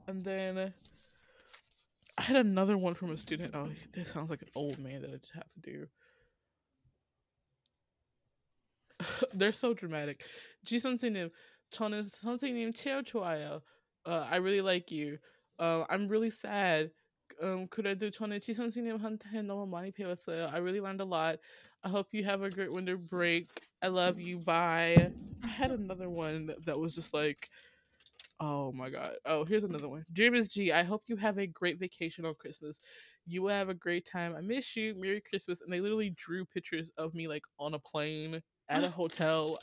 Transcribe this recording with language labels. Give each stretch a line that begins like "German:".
English: And then I had another one from a student. Oh, this sounds like an old man that I just have to do. They're so dramatic.
Korean: Ji 선생님, 저는 선생님 제일 좋아요.
English: I really like you. I'm really sad.
Korean: 그래도 저는 지 선생님한테 너무 많이 배웠어요.
English: I really learned a lot. I hope you have a great winter break. I love you. Bye. I had another one that was just like, oh my god. Oh, here's another one. Dear Ms. G, I hope you have a great vacation on Christmas. You will have a great time. I miss you. Merry Christmas. And they literally drew pictures of me like on a plane. At a hotel.